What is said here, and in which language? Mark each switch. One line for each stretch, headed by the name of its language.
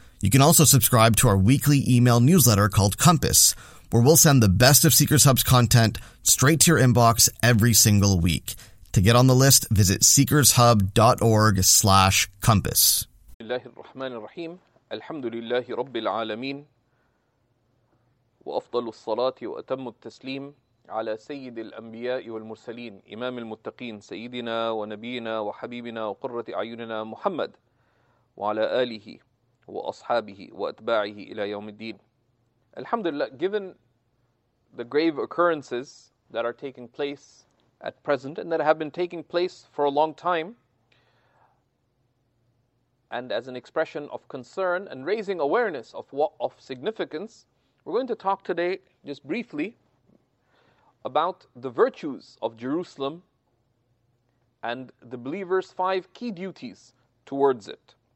English: You can also subscribe to our weekly email newsletter called Compass, where we'll send the best of Seekers Hub's content straight to your inbox every single week. To get on the list, visit seekershub.org/compass.
Arabic: Allahu Rahman Rahim. Alhamdulillahi Rabbil Alameen. Wa afdalus salati wa atammut taslim على سيد الأنبياء والمرسلين إمام المتقين سيدنا ونبينا وحبيبنا وقرة أعيننا محمد وعلى آله وأصحابه وأتباعه إلى يوم الدين. الحمد لله.
English: Given the grave occurrences that are taking place at present and that have been taking place for a long time, and as an expression of concern and raising awareness of what of significance, we're going to talk today just briefly about the virtues of Jerusalem and the believer's five key duties towards it.